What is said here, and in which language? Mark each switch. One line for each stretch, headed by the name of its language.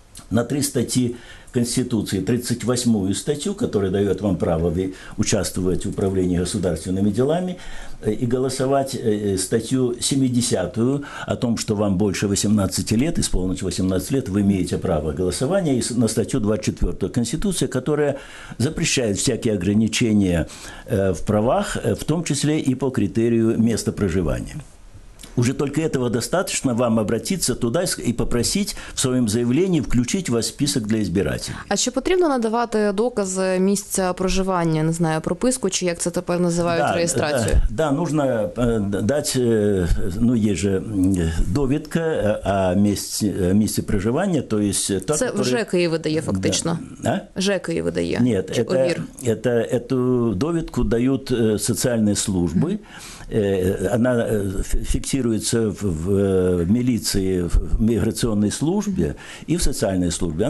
Russian: на три статьи Конституции, 38-ю статью, которая дает вам право участвовать в управлении государственными делами, и голосовать статью 70-ю о том, что вам больше 18 лет, исполнить 18 лет, вы имеете право голосования, и на статью 24-ю Конституции, которая запрещает всякие ограничения в правах, в том числе и по критерию места проживания. Уже только этого достаточно вам обратиться туда и попросить в своем заявлении включить вас в список для избирателей.
Ukrainian: А чи потрібно надавати докази місця проживання, не знаю, прописку, чи як це тепер називають, реєстрацію?
Russian: Да, нужно дать, ну,
Ukrainian: є же довідка о місці проживання,
Russian: то есть...
Ukrainian: Це в ЖЕК її видає фактично?
Russian: Да.
Ukrainian: ЖЕК її видає? Ні, эту довідку дають соціальні служби.
Russian: Она фиксируется в милиции, в миграционной службе и в социальной службе.